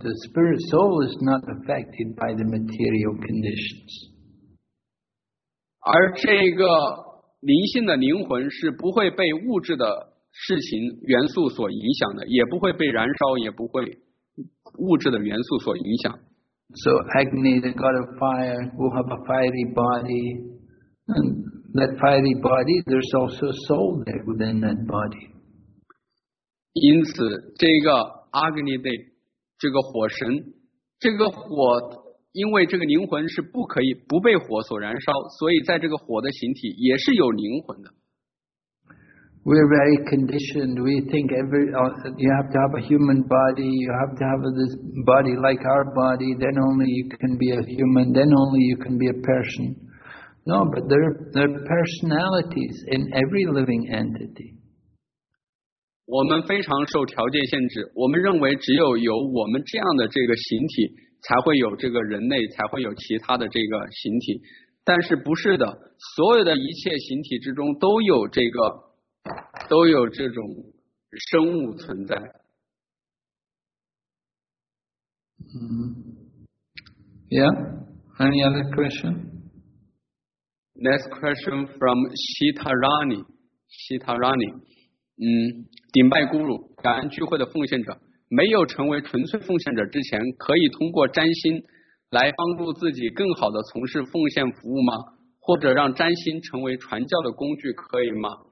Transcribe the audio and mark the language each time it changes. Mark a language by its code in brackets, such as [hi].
[en] The spirit soul is not affected by the material conditions. [zh] 而这个灵性的灵魂是不会被物质的事情元素所影响的，也不会被燃烧，也不会物质的元素所影响。 [en] So Agni, the god of fire, will have a fiery body. And that fiery body, there's also a soul there within that body. [zh] 因此这个 Agni Dev, 这个火神，这个火因为这个灵魂是不可以不被火所燃烧，所以在这个火的形体也是有灵魂的。 [en] We're very conditioned. We think you have to have a human body. You have to have this body like our body. Then only you can be a human. Then only you can be a person. No, but there are personalities in every living entity. [zh] 我们非常受条件限制。我们认为只有有我们这样的这个形体，才会有这个人类，才会有其他的这个形体。但是不是的，所有的一切形体之中都有这个。都有这种生物存在。 [en] Yeah, any other question? Next question from Sitarani. [zh] Sitarani, 顶拜咕噜，感恩聚会的奉献者。没有成为纯粹奉献者之前，可以通过占星来帮助自己更好的从事奉献服务吗？或者让占星成为传教的工具可以吗？